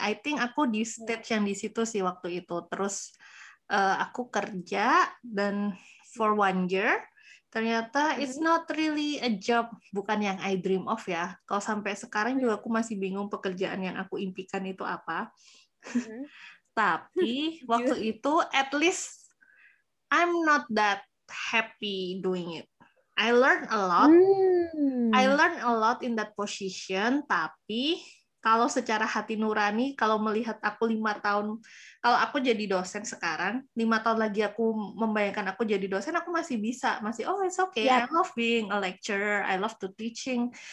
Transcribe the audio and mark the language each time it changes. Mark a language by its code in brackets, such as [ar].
[en] I think [id] aku di stage yang di situ sih waktu itu. Terus aku kerja dan [en] for one year, [id] ternyata [en] it's not really a job, [id] bukan yang [en] I dream of [id] ya. Kalau sampai sekarang juga aku masih bingung pekerjaan yang aku impikan itu apa. Tapi waktu itu [en] at least I'm not that happy doing it. I learn a lot. I learn a lot in that position. [id] Tapi kalau secara hati nurani, kalau melihat aku 5 tahun, kalau aku jadi dosen sekarang, 5 tahun lagi aku membayangkan aku jadi dosen, aku masih bisa, masih [en] oh it's okay, I love being a lecturer, I love to teaching.